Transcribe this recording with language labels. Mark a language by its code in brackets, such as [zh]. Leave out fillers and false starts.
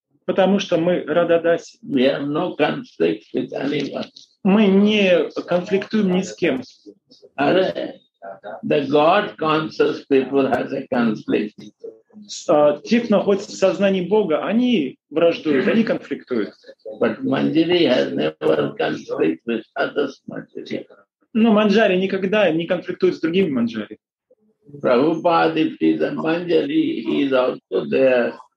[ru] Потому что мы Radha Dasi. [en] We have no conflict with anyone. [ru] Мы не конфликтуем ни с кем. [en] The God conscious people has a conflict. [ru] Те, кто находится в сознании Бога, они враждуют, они конфликтуют. [en] But Manjari has never conflict with others Manjari. [ru] Но Манджари никогда не конфликтует с другими Манджари. [en] Prabhupada, if he's a Manjari, he's also there